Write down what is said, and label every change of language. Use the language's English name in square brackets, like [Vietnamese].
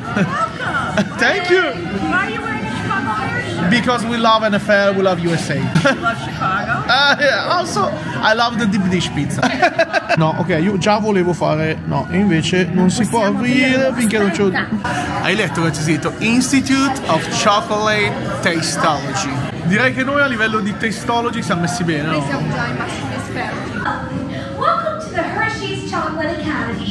[English] Welcome! Thank you! Because we love NFL, we love USA. You love Chicago? Yeah, also, I love the deep dish pizza. [Italian] No, ok, io già volevo fare... No, invece non si può aprire finché non c'è... Hai letto questo sito? [English] Institute of Chocolate Tasteology. [Italian] Direi che noi a livello di tasteology siamo messi bene, no? Noi siamo già i massimi esperti. [English] Welcome to the Hershey's Chocolate Academy.